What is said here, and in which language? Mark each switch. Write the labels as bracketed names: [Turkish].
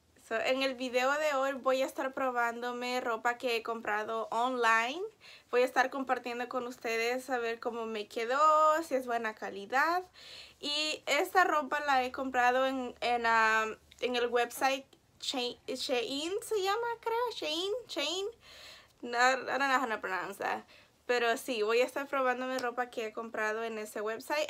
[Spanish] So, en el video de hoy voy a estar probándome ropa que he comprado online. Voy a estar compartiendo con ustedes a ver cómo me quedó, si es buena calidad. Y esta ropa la he comprado en el website Shein, se llama creo, Shein. [English] No, I don't know how to pronounce that. [Spanish] Pero sí, voy a estar probándome ropa que he comprado en ese website.